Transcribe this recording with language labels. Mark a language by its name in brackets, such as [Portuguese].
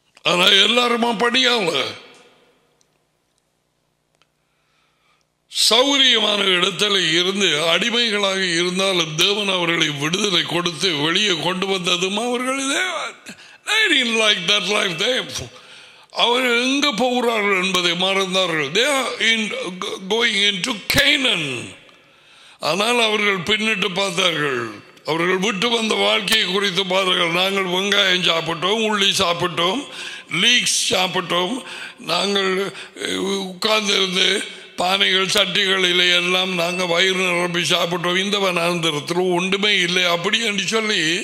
[Tamil] ஆனா எல்லாருமா படியாவ சௌகரியமான இடத்துல இருந்து அடிமைகளாக இருந்தாலும் தேவன் அவர்களை விடுதலை கொடுத்து வெளியே கொண்டு வந்ததும் அவர்கள் அவர்கள் எங்க போகிறார்கள் என்பதை மறந்தார்கள். [English] They are in, going into Canaan. [Tamil] ஆனால் அவர்கள் பின்னிட்டு பார்த்தார்கள், அவர்கள் விட்டு வந்த வாழ்க்கையை குறித்து பார்த்தார்கள். நாங்கள் வெங்காயம் சாப்பிட்டோம், உள்ளி சாப்பிட்டோம், லீக்ஸ் சாப்பிட்டோம், நாங்கள் உட்கார்ந்திருந்து பானைகள் சட்டிகளிலே எல்லாம் நாங்கள் வயிறு நிரம்பி சாப்பிட்டோம், இந்த வனாந்திரத்தில் ஒன்றுமே இல்லை அப்படி என்று சொல்லி